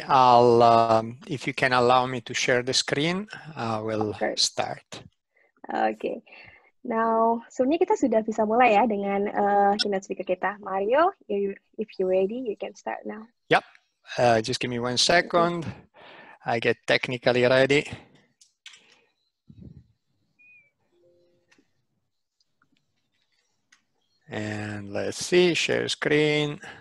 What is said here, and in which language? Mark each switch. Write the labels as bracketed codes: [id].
[en] I'll, if you can allow me to share the screen, I will start. Okay. [id] Now, sebenarnya kita sudah bisa mulai ya dengan keynote speaker kita. [en] Mario, if you're ready, you can start now. Yep. Just give me 1 second. I get technically ready. And let's see, share screen.